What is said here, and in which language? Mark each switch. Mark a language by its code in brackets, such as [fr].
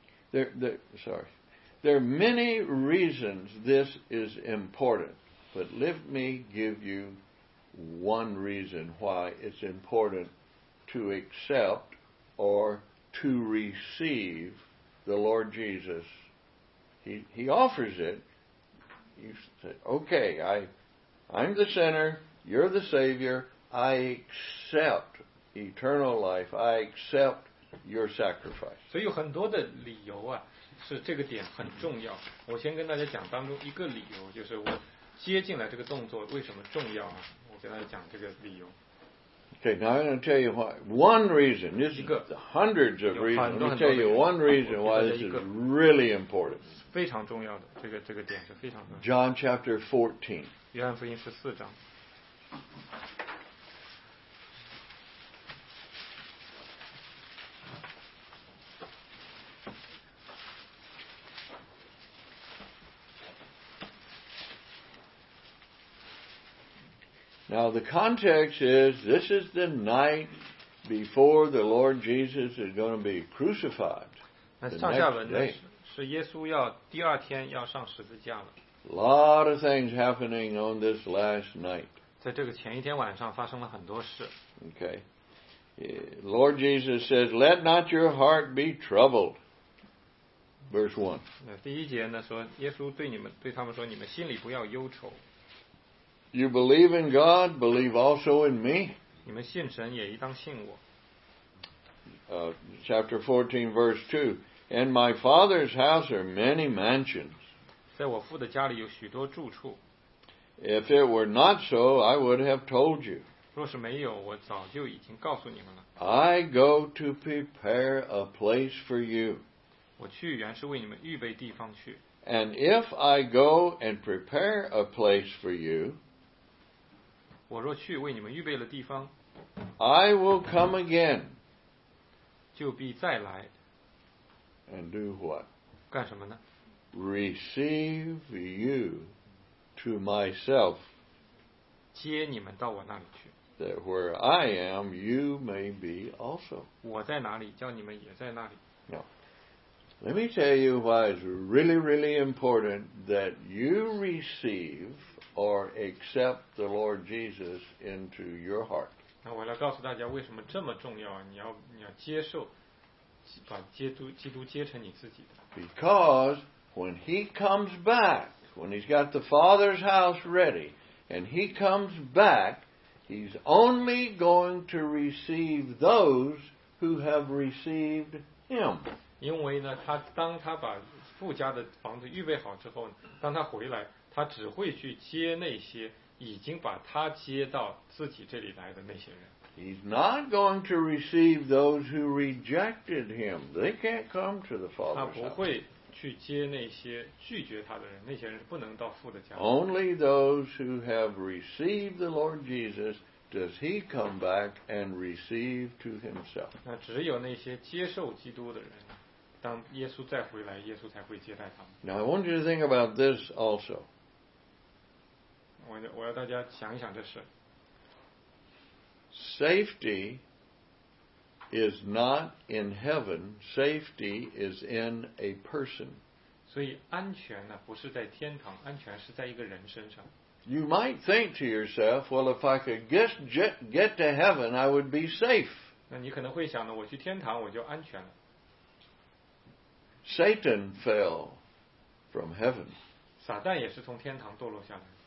[en] There are many reasons this is important, but let me give you one reason why it's important to accept or to receive the Lord Jesus. He offers it. You say, okay, I'm the sinner, you're the Savior, I accept eternal life, I accept your sacrifice. [zh] 所以有很多的理由啊，是这个点很重要。我先跟大家讲当中一个理由，就是我接进来这个动作为什么重要啊？我跟大家讲这个理由。 [en] Okay, now I'm going to tell you why. One reason, this is hundreds of reasons. Let me tell you one reason why this is really important. [zh] 非常重要的，这个点是非常重要的。 [en] John chapter 14. [zh] 约翰福音十四章。 [en] Now the context is, this is the night before the Lord Jesus is going to be crucified. [zh] 那上下文是耶稣要第二天要上十字架了。 [en] Lot of things happening on this last night. [zh] 在这个前一天晚上发生了很多事。 [en] Okay. Lord Jesus says, let not your heart be troubled. Verse 1. [zh] 第一节呢说耶稣对他们说，你们心里不要忧愁。 [en] You believe in God, believe also in me. [zh] 你们信神也应当信我。 [en] Chapter 14, verse 2. In my Father's house are many mansions. [zh] 在我父的家里有许多住处。 [en] If it were not so, I would have told you. [zh] 若是没有，我早就已经告诉你们了。 [en] I go to prepare a place for you. [zh] 我去原是为你们预备地方去。 [en] And if I go and prepare a place for you, [zh] 我若去为你们预备了地方, [en] I will come again, [zh] 就必再来, [en] and do what? [zh] 干什么呢? [en] Receive you to myself, [zh] 接你们到我那里去, [en] that where I am, you may be also. [zh] 我在哪里, 叫你们也在那里。 [en] No. Let me tell you why it's really, really important that you receive or accept the Lord Jesus into your heart. [zh] 那我来告诉大家为什么这么重要，你要接受，把基督接成你自己的。 [en] Because when he comes back, when he's got the Father's house ready, and he comes back, he's only going to receive those who have received him. [zh] 因为呢，他当他把父家的房子预备好之后，当他回来，他只会去接那些已经把他接到自己这里来的那些人。 [en] He's not going to receive those who rejected him. They can't come to the Father's house. [zh] 他不会去接那些拒绝他的人，那些人是不能到父的家。 [en] Only those who have received the Lord Jesus does he come back and receive to himself. [zh] 那只有那些接受基督的人。当耶稣再回来，耶稣才会接待他们。 [en] Now I want you to think about this also. [zh] 我要大家想一想这事。 [en] Safety is not in heaven. Safety is in a person. [zh] 所以安全呢，不是在天堂，安全是在一个人身上。 [en] You might think to yourself, well, if I could get to heaven, I would be safe. [zh] 那你可能会想呢，我去天堂我就安全了。 [en] Satan fell from heaven. [zh] 撒旦也是从天堂堕落下来。